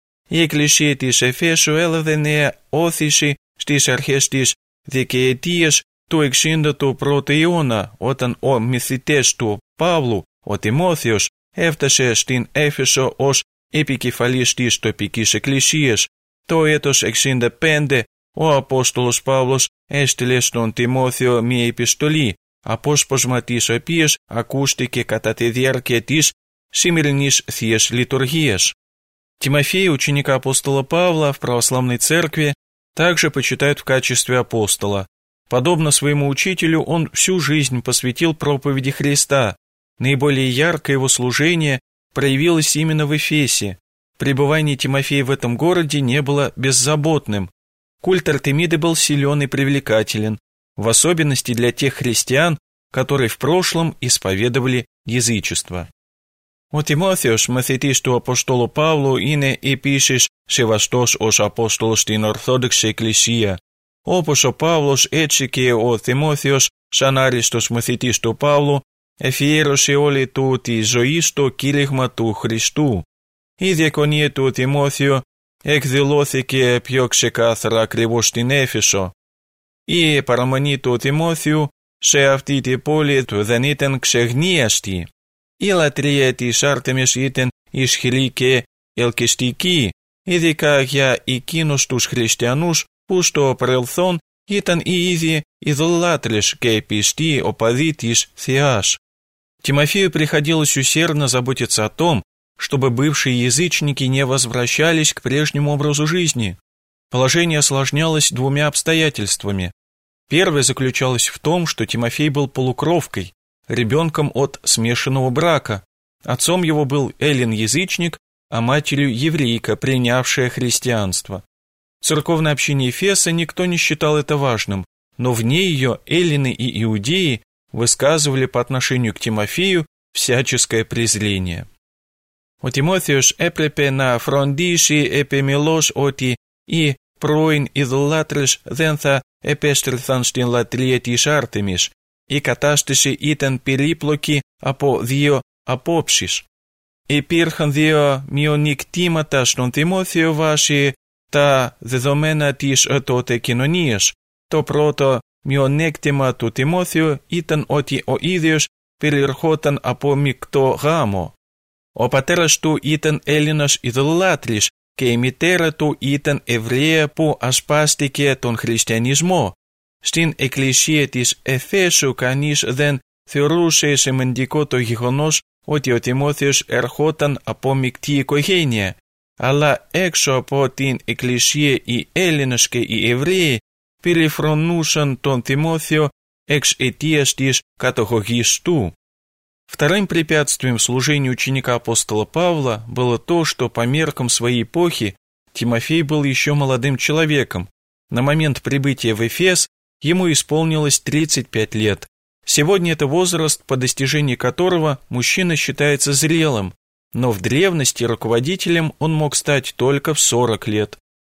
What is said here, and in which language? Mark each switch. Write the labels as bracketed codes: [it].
[el] «Εκκλησία της Εφέσου έλαβε όθηση στις αρχές της δεκαετίας του 60ου πρώτου αιώνα, όταν ο μαθητής του Παύλου, ο Τιμόθεος, έφτασε στην Έφεσο ως επικεφαλής της τοπικής εκκλησίας. Το έτος 65 ο Απόστολος Παύλος έστειλε στον Τιμόθεο μία επιστολή, απόσπασμα της οποίας ακούστηκε κατά τη διάρκεια της σημερινής Θείας Λειτουργίας. [ru] Тимофея, ученика апостола Павла, в православной церкви также почитают в качестве апостола. Подобно своему учителю, он всю жизнь посвятил проповеди Христа. Наиболее яркое его служение проявилось именно в Эфесе. Пребывание Тимофея в этом городе не было беззаботным. Культ Артемиды был силен и привлекателен, в особенности для тех христиан, которые в прошлом исповедовали язычество. [el] Ο Τιμόθεος, μαθητής του Αποστόλου Παύλου, είναι επίσης σεβαστός ως Απόστολος στην Ορθόδοξη Εκκλησία. Όπως ο Παύλος, έτσι και ο Τιμόθεος, σαν άριστος μαθητής του Παύλου, εφιέρωσε όλη του τη ζωή στο κήρυγμα του Χριστού. Η διακονία του Τιμόθεου εκδηλώθηκε πιο ξεκάθαρα ακριβώς στην Έφεσο. Η παραμονή του Τιμόθεου σε αυτή την πόλη του δεν ήταν ξεγνίαστη. Η λατρεία της Άρτεμις ήταν ισχυρή και ελκυστική, ειδικά για εκείνους τους χριστιανούς που στο παρελθόν ήταν οι ίδιοι ειδωλάτρες και πιστοί οπαδοί της Θεάς. [ru] Тимофею приходилось усердно заботиться о том, чтобы бывшие язычники не возвращались к прежнему образу жизни. Положение осложнялось двумя обстоятельствами. Первое заключалось в том, что Тимофей был полукровкой, ребенком от смешанного брака. Отцом его был эллин-язычник, а матерью еврейка, принявшая христианство. В церковной общине Эфеса никто не считал это важным, но вне ее эллины и иудеи высказывали по отношению к Тимофею всяческое презрение. [el] Ο Τιμόθεος έπρεπε να φροντίσει επιμελώς ότι οι πρώην ειδωλάτρες δεν θα επέστρεφαν στην λατρεία της Άρτεμις. Η κατάσταση ήταν περίπλοκη από δύο απόψεις. Υπήρχαν δύο μειονεκτήματα στον Τιμόθεο βάσει τα δεδομένα της τότε κοινωνίας. Το πρώτο μειονέκτημα του Τιμόθεου ήταν ότι ο ίδιος περιερχόταν από μεικτό γάμο. Ο πατέρας του ήταν Έλληνας ειδωλάτρης και η μητέρα του ήταν Εβραία που ασπάστηκε τον χριστιανισμό. Στην εκκλησία της Εφέσου κανείς δεν θεωρούσε σημαντικό το γεγονός ότι ο Τιμόθεος ερχόταν από μεικτή οικογένεια, αλλά έξω από την εκκλησία οι Έλληνες και οι Εβραίοι περιφρονούσαν τον Τιμόθεο εξαιτίας της καταγωγής του. [ru] Вторым препятствием служению ученика апостола Павла было то, что по меркам своей эпохи Тимофей был еще молодым человеком. На момент прибытия в Эфес ему исполнилось 35 лет. Сегодня это возраст, по достижении которого мужчина считается зрелым, но в древности руководителем он мог стать только в 40 лет.